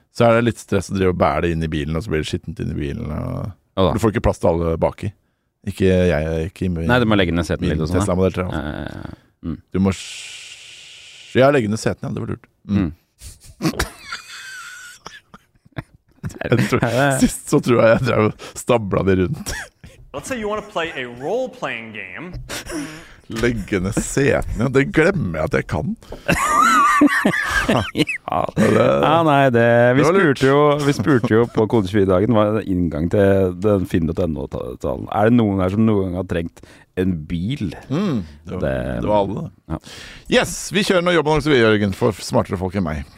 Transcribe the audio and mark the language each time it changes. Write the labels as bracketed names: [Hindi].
[Norwegian] Så det litt stress å drive og bære det inn i bilen. Og så blir det skittent inn i bilen og du får ikke plass til alle baki. Ikke jeg, ikke i min. Nei, du må legge ned seten litt og sånn. Tesla-modell 3. Du må... Jeg legger ned seten, ja. Det var lurt. Sist så tror jeg jeg drev stablet det rundt. [English] Let's say you want to play a role-playing game. [Norwegian] Legge ned seten, ja. Det glemmer jeg at jeg kan. Ja, nei, det, vi spurte jo på kodesvidagen hva er inngang til den finn.no-talen. Er det noen her som noen gang har trengt en bil? Det var alle ja. Yes, vi kjører noen jobbannonser vi, Jørgen, for smartere folk enn meg.